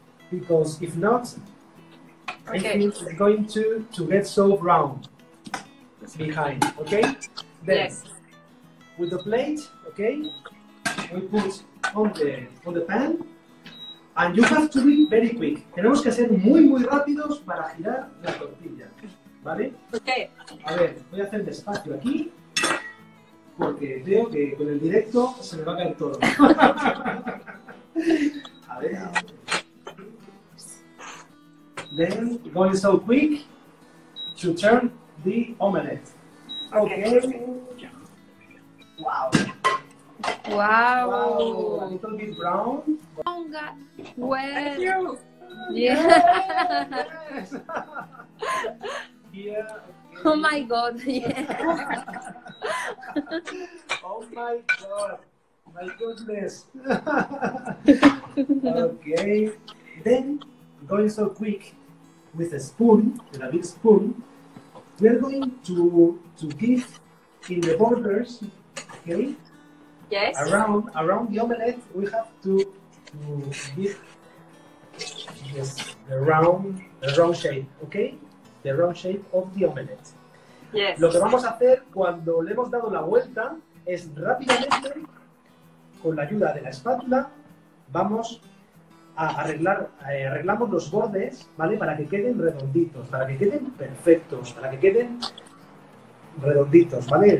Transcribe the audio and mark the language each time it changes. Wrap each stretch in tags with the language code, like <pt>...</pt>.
<en>Because if not, okay, I think it's going to get so brown behind, okay? Then, yes. With the plate, okay, we put on the pan, and you have to be very quick.</en> <es>Tenemos que ser muy, muy rápidos para girar la tortilla, ¿vale?</es> <en>Okay.</en> <es>A ver, voy a hacer despacio aquí. Porque veo que con el directo se me va a caer todo. A ver.</es> <en>Then, going so quick to turn the omelette. Okay. Wow. A little bit brown. Well. Thank you. Yeah. Yeah. Okay. Oh my God. Yeah. Oh my God. My goodness. Okay. Then, going so quick with a spoon, with a big spoon, we're going to give in the borders, okay? Yes. Around the omelette, we have to give yes, the round shape, okay? The round shape of the omelette. Yes.</en> <es>Lo que vamos a hacer cuando le hemos dado la vuelta es rápidamente, con la ayuda de la espátula, vamos a arreglamos los bordes, ¿vale? Para que queden redonditos, para que queden perfectos, para que queden redonditos, ¿vale?</es>